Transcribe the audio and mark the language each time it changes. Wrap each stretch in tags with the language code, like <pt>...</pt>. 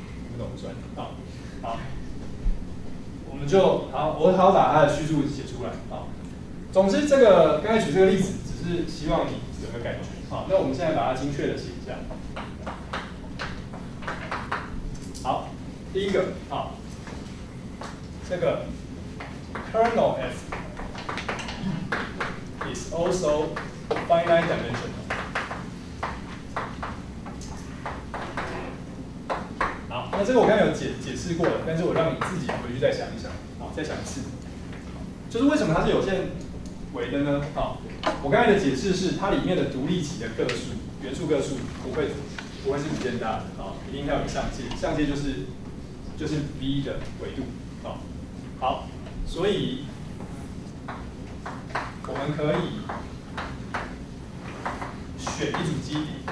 <zh>不懂算了，好，我们就好，我好把它的叙述写出来啊。总之，这个刚才举这个例子，只是希望你有个感觉。好，那我们现在把它精确的写一下。好，第一个，好，这个</zh> <en>kernel F is also finite dimensional。</en> <zh>好，那这个我刚才有解释过了，但是我让你自己回去再想一想，好，再想一次，就是为什么它是有限维的呢？好，我刚才的解释是它里面的独立体的个数，元素个数不会是无限大的，好，一定要有上限，上限就是 v 的维度，好，好，所以我们可以选一组基底，</zh>